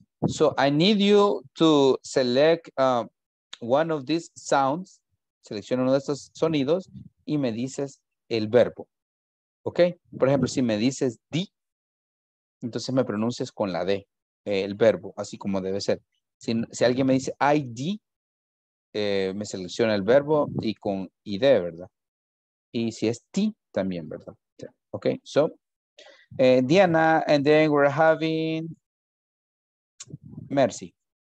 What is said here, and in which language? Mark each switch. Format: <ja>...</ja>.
<en>So I need you to select one of these sounds.</en> <es>Selecciona uno de estos sonidos y me dices el verbo. Okay. Por ejemplo, si me dices D, entonces me pronuncias con la D, el verbo, así como debe ser. Si alguien me dice I, D, me selecciona el verbo y con ID, ¿verdad? Y si es T, también, ¿verdad? Yeah.</es> <en>Okay, so, Diana, and then we're having Mercy.</en>